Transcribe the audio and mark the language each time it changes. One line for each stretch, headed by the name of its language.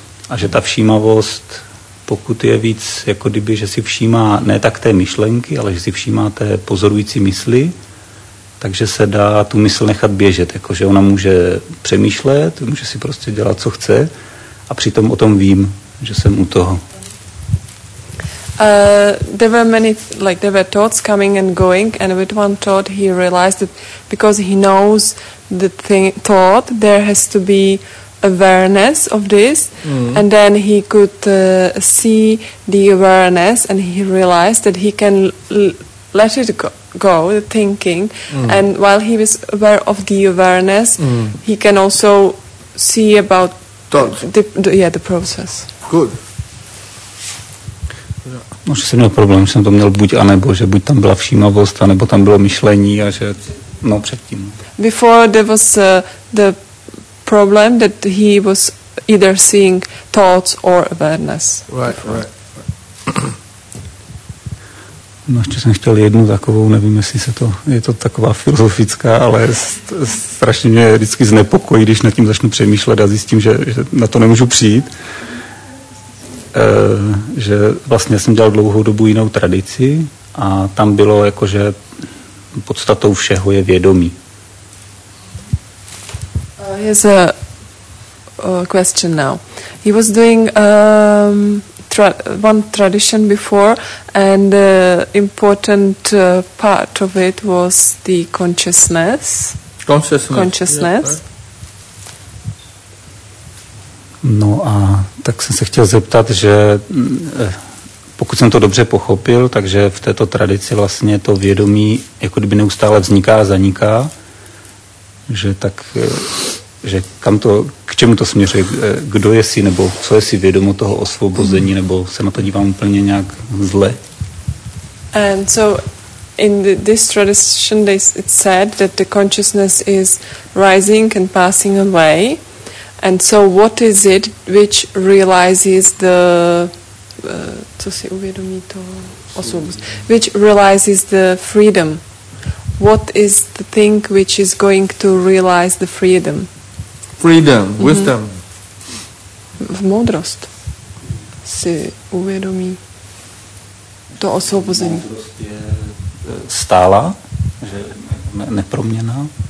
Czech: A že ta všímavost, pokud je víc, jako kdyby, že si všímá ne tak té myšlenky, ale že si všímá té pozorující mysli, takže se dá tu mysl nechat běžet, jakože ona může přemýšlet, může si prostě dělat, co chce, a přitom o tom vím, že jsem u toho.
English: There were many, like there were thoughts coming and going, and with one thought he realized that because he knows the thought, there has to be awareness of this, and then he could see the awareness, and he realized that he can let it go, the thinking, and while he was aware of the awareness, he can also see about the process. Good.
Czech: No, že jsem měl problém, že jsem to měl buď a nebo, že buď tam byla všímavost, anebo tam bylo myšlení a že, no, předtím.
English: Before there was the problem that he was either seeing thoughts or awareness. Right.
Czech: No, ještě jsem chtěl jednu takovou, nevím, jestli se to, je to taková filozofická, ale strašně mě vždycky znepokojí, když nad tím začnu přemýšlet a zjistím, že na to nemůžu přijít. Že vlastně jsem dělal dlouhou dobu jinou tradici a tam bylo jako, že podstatou všeho je vědomí.
English: Here's a question now. He was doing one tradition before and the important part of it was the consciousness. Yes,
Czech: no a tak jsem se chtěl zeptat, že pokud jsem to dobře pochopil, takže v této tradici vlastně to vědomí jako kdyby neustále vzniká a zaniká, že tak, že kam to, k čemu to směřuje, kdo je si, nebo co je si vědomo toho osvobození, nebo se na to dívám úplně nějak zle.
English: And so in this tradition it said that the consciousness is rising and passing away. And so what is it which realizes the
Czech: co si uvědomí to osobnost,
English: which realizes the freedom? What is the thing which is going to realize the freedom? Freedom, wisdom.
Czech: V moudrost si uvědomí to osvobození. Moudrost je stála, že neproměná.